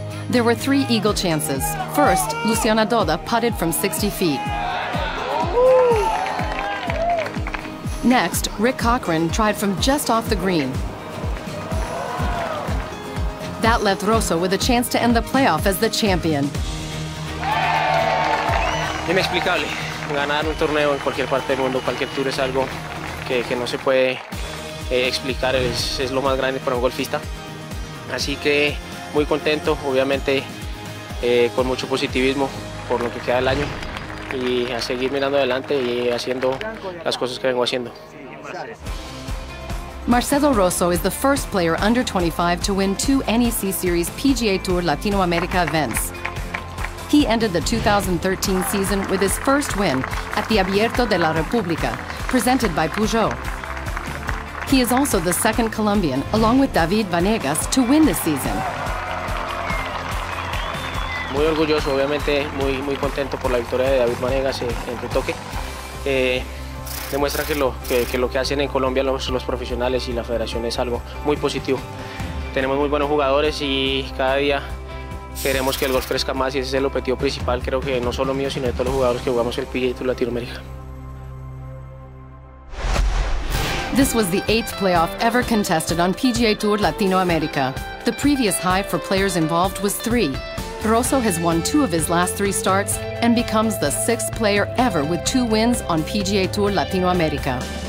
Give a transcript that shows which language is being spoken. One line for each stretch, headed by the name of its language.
English: There were 3 eagle chances. First, Luciana Doda putted from 60 feet. Next, Rick Cochran tried from just off the green. That left Rosso with a chance to end the playoff as the champion.
Spanish: Inexplicable. Ganar un torneo en cualquier parte del mundo, cualquier tour, es algo que no se puede explicar. Es lo más grande para un golfista. Así que muy contento, obviamente, con mucho positivismo por lo que queda del año y a seguir mirando adelante y haciendo las cosas que vengo haciendo.
English: Marcelo Rosso is the first player under 25 to win two NEC Series PGA Tour Latino America events. He ended the 2013 season with his first win at the Abierto de la República, presented by Peugeot. He is also the second Colombian, along with David Vanegas, to win this season.
Spanish: Muy orgulloso, obviamente, muy, muy contento por la victoria de David Vanegas en Pitoque. Demuestra que lo que hacen en Colombia los profesionales y la federación es algo muy positivo. Tenemos muy buenos jugadores y cada día queremos que el golf crezca más y ese es el objetivo principal, creo que no solo mío, sino de todos los jugadores que jugamos el PGA Tour Latinoamérica.
English: This was the eighth playoff ever contested on PGA Tour Latinoamérica. The previous high for players involved was three. Rosso has won two of his last three starts and becomes the sixth player ever with two wins on PGA Tour Latinoamérica.